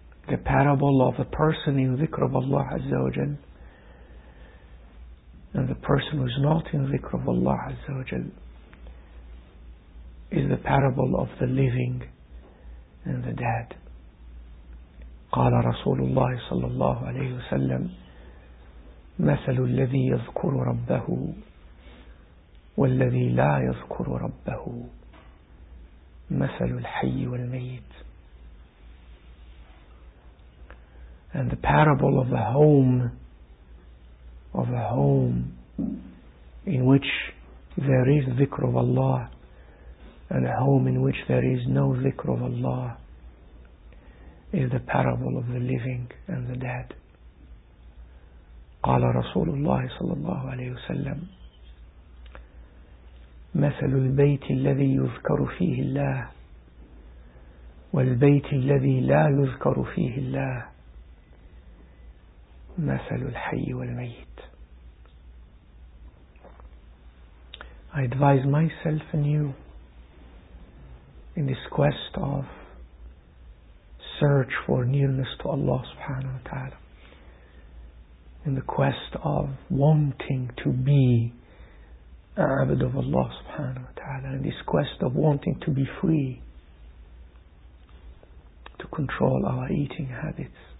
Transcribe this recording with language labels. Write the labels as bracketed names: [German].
[English] The parable of a person in dhikr of Allah Azza wa Jal and the person who is not in dhikr of Allah Azza wa Jal is the parable of the living and the dead. [Arabic] قَالَ رَسُولُ اللَّهِ صَلَّى اللَّهُ عَلَيْهُ وَسَلَّمُ مَثَلُ الَّذِي يَذْكُرُ رَبَّهُ وَالَّذِي لَا يَذْكُرُ رَبَّهُ مَثَلُ الْحَيِّ وَالْمَيِّتِ. [English] And the parable of the home of a home in which there is dhikr of Allah, and a home in which there is no dhikr of Allah, is the parable of the living and the dead. [Arabic] قال رسول الله صلى الله عليه وسلم مثل البيت الذي يذكر فيه الله والبيت الذي لا يذكر فيه الله مثل الحي والميت. [English] I advise myself and you in this quest of search for nearness to Allah subhanahu wa ta'ala, in the quest of wanting to be abd of Allah subhanahu wa ta'ala, in this quest of wanting to be free, to control our eating habits.